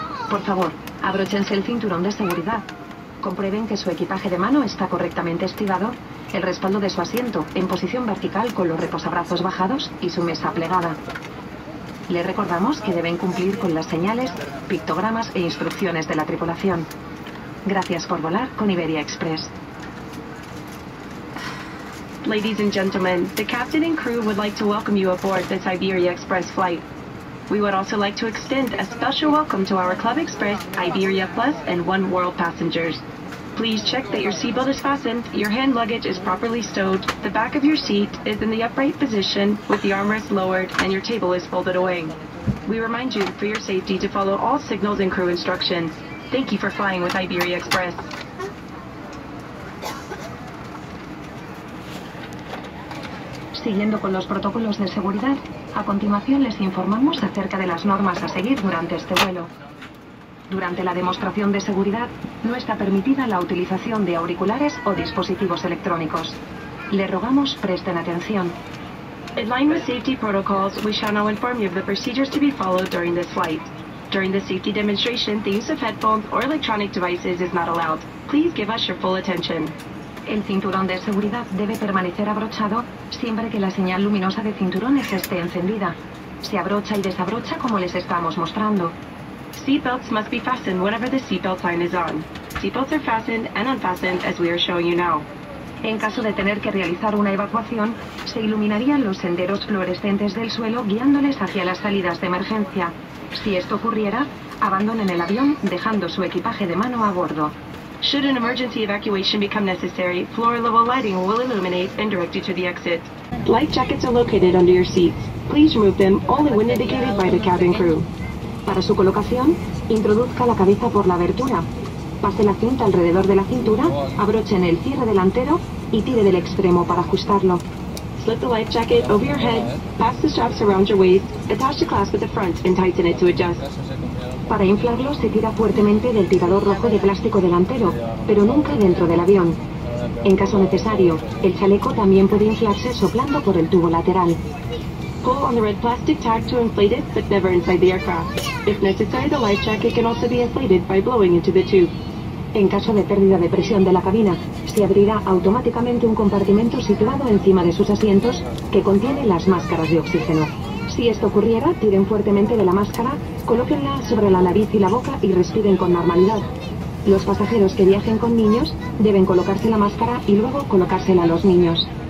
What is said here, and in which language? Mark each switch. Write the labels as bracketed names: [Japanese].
[Spanish] Por favor, abróchense el cinturón de seguridad. Comprueben que su equipaje de mano está correctamente estivado, el respaldo de su asiento en posición vertical con los reposabrazos bajados y su mesa plegada. Le recordamos que deben cumplir con las señales, pictogramas e instrucciones de la tripulación. Gracias por volar con Iberia Express. [English] Ladies and gentlemen, the captain and crew would like to welcome you aboard this Iberia Express flight. We would also like to extend a special welcome to our Club Express, Iberia Plus, and One World passengers. Please check that your seatbelt is fastened, your hand luggage is properly stowed, the back of your seat is in the upright position with the armrest lowered, and your table is folded away. We remind you, for your safety, to follow all signals and crew instructions. Thank you for flying with Iberia Express. [Spanish] Siguiendo con los protocolos de seguridad, a continuación les informamos acerca de las normas a seguir durante este vuelo. Durante la demostración de seguridad, no está permitida la utilización de auriculares o dispositivos electrónicos. Le rogamos presten atención. [English] In line with safety protocols, we shall now inform you of the procedures to be followed during this flight. During the safety demonstration, the use of headphones or electronic devices is not allowed. Please give us your full attention. [Spanish] El cinturón de seguridad debe permanecer abrochado siempre que la señal luminosa de cinturones esté encendida. Se abrocha y desabrocha como les estamos mostrando. [English] Seatbelts must be fastened whenever the seatbelt sign is on. Seatbelts are fastened and unfastened as we are showing you now. [Spanish] En caso de tener que realizar una evacuación, se iluminarían los senderos fluorescentes del suelo guiándoles hacia las salidas de emergencia. Si esto ocurriera, abandonen el avión dejando su equipaje de mano a bordo. [English] Should an emergency evacuation become necessary, floor level lighting will illuminate and direct you to the exit. Life jackets are located under your seats. Please remove them only when indicated by the cabin crew. [Spanish] Para su colocación, introduzca la cabeza por la abertura. Pase la cinta alrededor de la cintura, abroche en el cierre delantero y tire del extremo para ajustarlo. [English] Slip the life jacket over your head, pass the straps around your waist, attach the clasp at the front and tighten it to adjust. [Spanish] Para inflarlo, se tira fuertemente del tirador rojo de plástico delantero, pero nunca dentro del avión. En caso necesario, el chaleco también puede inflarse soplando por el tubo lateral. [English] Pull on the red plastic tag to inflate it, but never inside the aircraft. If necessary, the life jacket can also be inflated by blowing into the tube. [Spanish] En caso de pérdida de presión de la cabina, se abrirá automáticamente un compartimento situado encima de sus asientos que contiene las máscaras de oxígeno. Si esto ocurriera, tiren fuertemente de la máscara, colóquenla sobre la nariz y la boca y respiren con normalidad. Los pasajeros que viajen con niños deben colocarse la máscara y luego colocársela a los niños.